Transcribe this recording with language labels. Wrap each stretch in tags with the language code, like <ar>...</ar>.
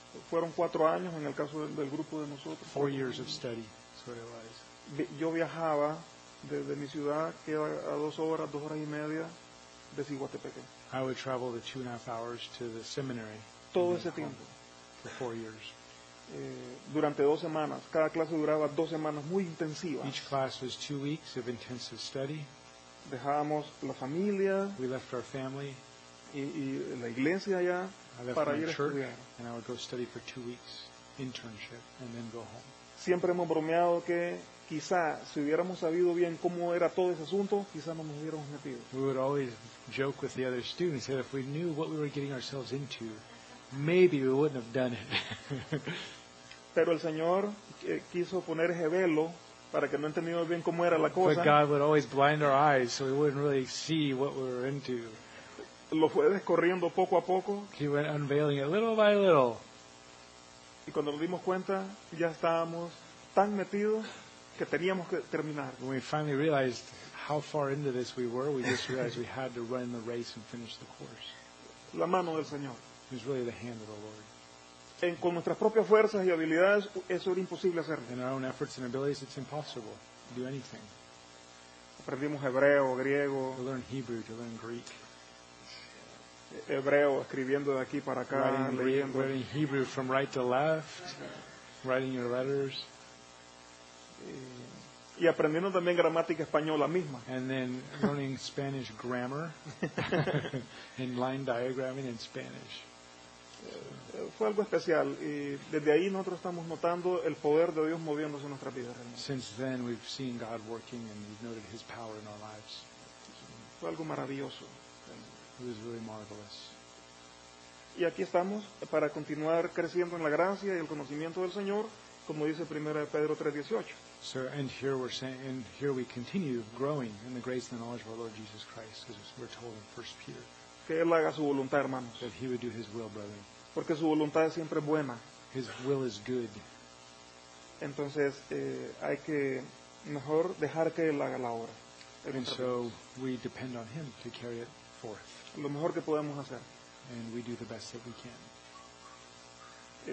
<es>Fueron 4 años en el caso del grupo de nosotros.</es> <en>4 years of study, is what it was.</en> <es>Yo viajaba desde mi ciudad, que era a 2 horas, 2 horas y media, de Siguatepeque.</es> <en>I would travel the 2.5 hours to the seminary.</en> <es>Todo ese tiempo.</es> <en>For 4 years.</en> <es>Durante 2 semanas. Cada clase duraba 2 semanas, muy intensivas.</es> <en>Each class was 2 weeks of intensive study.</en> <es>Dejábamos la familia.</es> <en>We left our family.</en> <es>Y la iglesia allá.</es> <en>I left</en> <es>para</es> <en>my</en> <es>ir</es> <en>church,</en> <es>a estudiar.</es> <en>And I would go study for 2 weeks, internship, and then go home.</en> <es>Siempre hemos bromeado que quizá si hubiéramos sabido bien cómo era todo ese asunto, quizá no nos hubiéramos metido.</es> <en>We would always joke with the other students that if we knew what we were getting ourselves into, maybe we wouldn't have done it.</en> <es>Pero el Señor quiso poner ese velo para que no entendamos bien cómo era la cosa.</es> <en>But God would always blind our eyes so we wouldn't really see what we were into.</en> <es>Lo fue descorriendo poco a poco.</es> <en>He went unveiling it little by little.</en> <es>Y cuando nos dimos cuenta, ya estábamos tan metidos que teníamos que terminar.</es> <en>When we finally realized how far into this we were, we just realized we had to run the race and finish the course.</en> <es>La mano del Señor.</es> <en>It was really the hand of the Lord.</en> <es>Con nuestras propias fuerzas y habilidades, eso era imposible hacerlo.</es> <en>In our own efforts and abilities, it's impossible to do anything.</en> <es>Aprendimos hebreo, griego.</es> <en>To learn Hebrew, to learn Greek.</en> <es>Hebreo, escribiendo de aquí para acá, leyendo.</es> <en>Writing Hebrew from right to left, writing your letters.</en> <es>Y aprendiendo también gramática española misma.</es> <en>And then learning Spanish grammar, and line diagramming in Spanish.</en> <es>Fue algo especial y desde ahí nosotros estamos notando el poder de Dios moviéndose en nuestra vida.</es> <en>Since then we've seen God working and we've noted His power in our lives.</en> <es>Fue algo maravilloso.</es> <en>It was really marvelous.</en> <es>Y aquí estamos para continuar creciendo en la gracia y el conocimiento del Señor, como dice 1 Pedro 3:18.</es> <en>So, and here we're saying, and here we continue growing in the grace and the knowledge of our Lord Jesus Christ, as we're told in 1 Peter.</en> <es>Que Él haga su voluntad, hermanos.</es> <en>That He would do His will, brethren.</en> <es>Porque su voluntad es siempre buena.</es> <en>His will is good.</en> <es>Entonces, hay que mejor dejar que Él haga la obra.</es> <en>And so, we depend on Him to carry it forth.</en> <es>Lo mejor que podemos hacer.</es> <en>And we do the best that we can.</en>